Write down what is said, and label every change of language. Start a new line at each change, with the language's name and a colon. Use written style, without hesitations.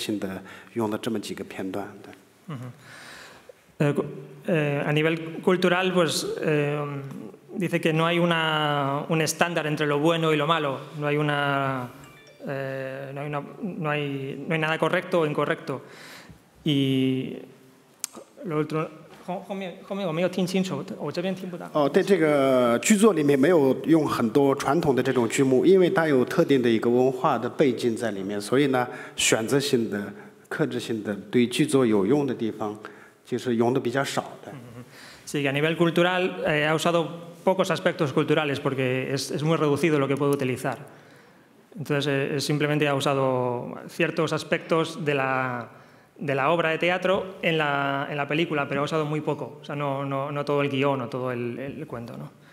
Chinese: 人与人的文化之间有这种理解上面的障碍，所以呢，我用克制的、选择性的用了这么几个片段。
Spanish: A nivel cultural, pues dice que no hay un estándar entre lo bueno y lo malo, no hay nada correcto o incorrecto. Y lo otro.
Chinese: 后面我没有听清楚，我这边听不到。哦，对这个剧作里面没有用很多传统的这种剧目，因为它有特定的一个文化的背景在里面，所以呢，选择性的、克制性的对剧作有用的地方，就是用的比较少的。 Sí,
Spanish: a nivel cultural ha usado pocos aspectos culturales porque es muy reducido lo que puede utilizar. Entonces simplemente ha usado ciertos aspectos de la obra de teatro en la película, pero ha usado muy poco, o sea, no todo el guión o todo el cuento, ¿no?